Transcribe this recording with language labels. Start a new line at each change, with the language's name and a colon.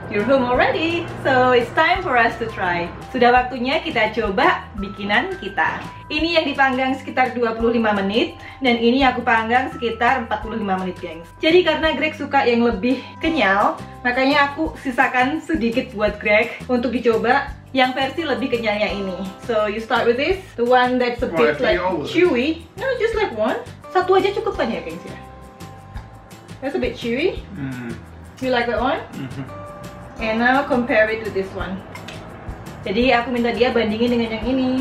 English: You're home already. So, it's time for us to try.
Indonesian: Sudah waktunya kita coba bikinan kita. Ini yang dipanggang sekitar 25 menit. Dan ini aku panggang sekitar 45 menit, geng. Jadi, karena Greg suka yang lebih kenyal, makanya aku sisakan sedikit buat Greg untuk dicoba yang versi lebih kenyalnya ini.
English: So you start with this, the one that's a bit chewy. No, just like one.
Indonesian: Satu aja cukup kan ya, guys ya?
English: That's a bit chewy. Mm-hmm. You like that one? Mm-hmm. And now compare it with this one.
Indonesian: Jadi aku minta dia bandingin dengan yang ini.